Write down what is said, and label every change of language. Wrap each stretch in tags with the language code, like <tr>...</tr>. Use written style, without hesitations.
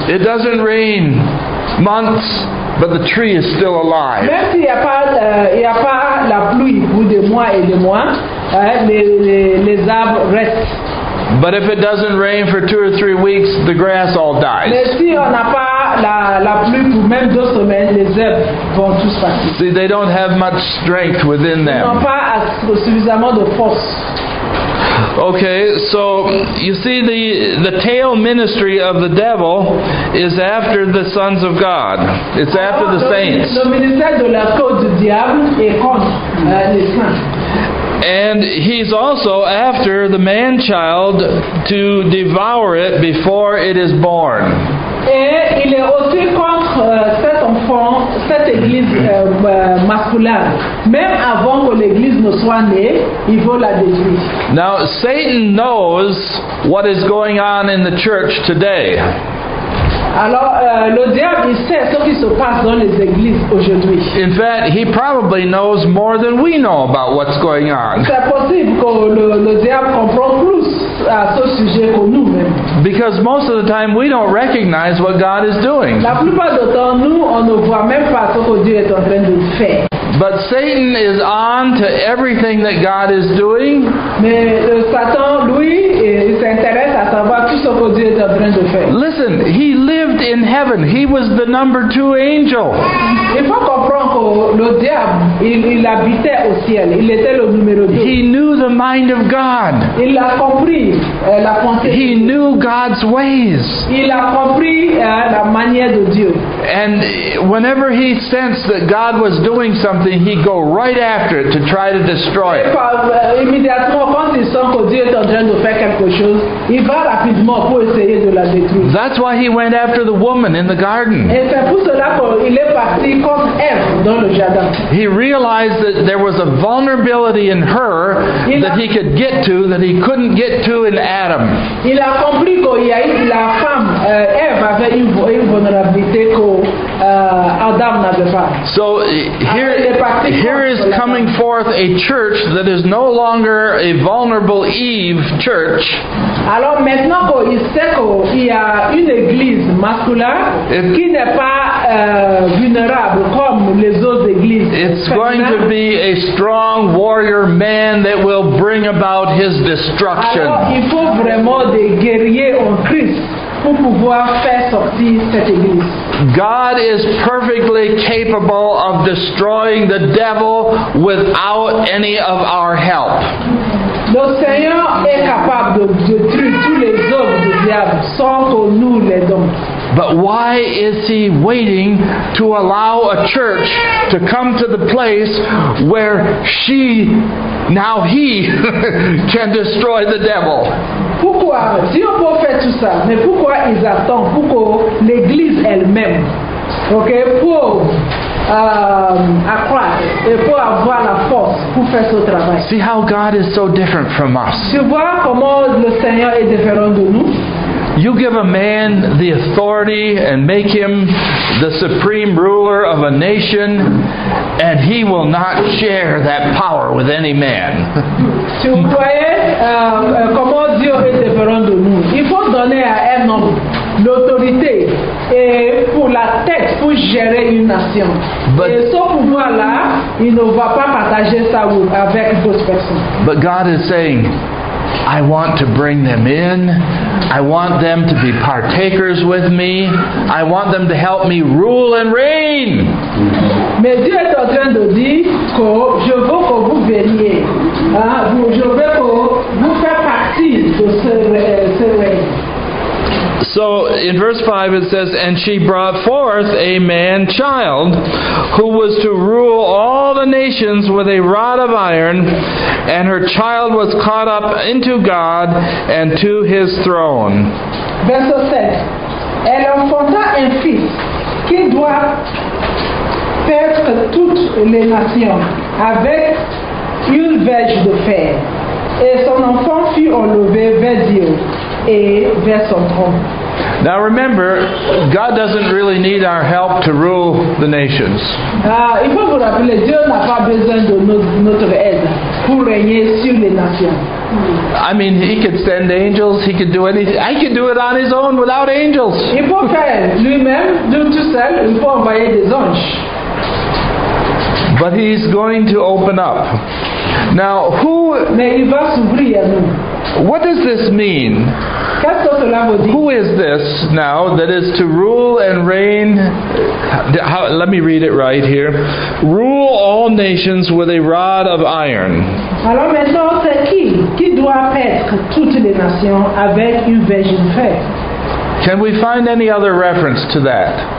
<en>It doesn't rain months, but the tree is still alive.</en> <fr>Même s'il n'y a pas la pluie pour des mois et des mois, les arbres restent.</fr> <en>But if it doesn't rain for 2 or 3 weeks, the grass all dies.</en> <fr>Mais si on n'a pas la pluie pour même 2 semaines, les herbes vont tous partir.</fr> <en>See, they don't have much strength within them.</en> <fr>Ils n'ont pas suffisamment de force.</fr> <en>Okay, so you see the tail ministry of the devil is after the sons of God. It's after the saints.</en> <fr>Le ministère de la côte du diable est contre les saints.</fr> <en>And he's also after the man-child to devour it before it is born.</en> <fr>Et il est aussi contre cet enfant, cette église masculine. Même avant que l'église ne soit née, il veut la détruire.</fr> <en>Now, Satan knows what is going on in the church today.</en> <fr>Alors, le diable, il sait ce qui se passe dans les églises aujourd'hui.</fr> <en>In fact, he probably knows more than we know about what's going on.</en> <fr>C'est possible que le diable comprend plus à ce sujet que nous-mêmes.</fr> <en>Because most of the time, we don't recognize what God is doing.</en> <fr>La plupart du temps, nous, on ne voit même pas ce que Dieu est en train de faire.</fr> <en>But Satan is on to everything that God is doing.</en> <fr>Mais Satan, lui, il s'intéresse à savoir tout ce que Dieu est en train de faire.</fr> <en>Listen, he lived in heaven. He was the number two angel.</en> <fr>Il faut comprendre que le diable, il habitait au ciel. Il était le numéro deux.</fr> <en>He knew the mind of God.</en> <fr>Il a compris la pensée.</fr> <en>He knew God's ways.</en> <fr>Il a compris la manière de Dieu.</fr> <en>And whenever he sensed that God was doing something, he'd go right after it to try to destroy it.</en> <fr>Immédiatement, quand il sent que Dieu est en train de faire quelque chose, il va rapidement pour essayer de la détruire.</fr> <en>That's why he went after the woman in the garden.</en> <fr>Et c'est pour cela qu'il est parti contre Eve dans le jardin.</fr> <en>He realized that there was a vulnerability in her that he could get to that he couldn't get to in Adam.</en> <fr>Il a compris qu'il y a eu la femme, Eve avait une vulnérabilité Adam n'avait pas.</fr> <en>So here is coming forth a church that is no longer a vulnerable Eve church.</en> <fr>Alors maintenant qu'il sait qu'il y a une église masculine qui n'est pas vulnérable comme les autres églises.</fr> <en>It's going to be a strong warrior man that will bring about his destruction.</en> <fr>Alors il faut vraiment des guerriers en Christ pour pouvoir faire sortir cette église.</fr> <en>God is perfectly capable of destroying the devil without any of our help.</en> <fr>Le Seigneur est capable de détruire tous les hommes du diable sans que nous les donnions.</fr> <en>But why is he waiting to allow a church to come to the place where she, now he, can destroy the devil?</en> <fr>Pourquoi? Dieu peut faire tout ça, mais pourquoi ils attendent pour que l'église elle-même, ok, pour accroître et pour avoir la force pour faire ce travail?</fr> <en>See how God is so different from us.</en> <fr>Tu vois comment le Seigneur est différent de nous?</fr> <en>You give a man the authority and make him the supreme ruler of a nation, and he will not share that power with any man.</en> <fr>Tu croyais comment Dieu est différent de nous? Il faut donner à un homme l'autorité et pour la tête pour gérer une nation.</fr> <en>But,</en> <fr>et ce pouvoir-là, il ne va pas partager ça avec d'autres personnes.</fr> <en>But God is saying, I want to bring them in. I want them to be partakers with me. I want them to help me rule and reign.</en> <fr>Mais Dieu est en train de dire que je veux que vous veniez. Je veux que vous fassiez partie de ce règne.</fr> <en>So in verse 5 it says, and she brought forth a man child who was to rule all the nations with a rod of iron, and her child was caught up into God and to his throne. Verse 7.</en> <fr>Elle enfanta un fils qui doit faire toutes les nations avec une verge de fer. Et son enfant fut enlevé vers Dieu et vers son trône.</fr> <en>Now remember, God doesn't really need our help to rule the nations.</en> <fr>Il faut vous rappeler, Dieu n'a pas besoin de notre aide pour régner sur les nations.</fr> <en>I mean, he could send angels, he could do anything. I could do it on his own without angels.</en> <fr>Il faut faire lui-même, tout seul, il faut envoyer des anges.</fr> <en>But he's going to open up. Now, who...</en> <fr>Mais il va s'ouvrir à nous.</fr> <en>What does this mean? Who is this now that is to rule and reign? How, let me read it right here. Rule all nations with a rod of iron.</en> <fr>Alors maintenant, c'est qui doit paître toutes les nations avec une verge de fer?</fr> <en>Can we find any other reference to that?</en>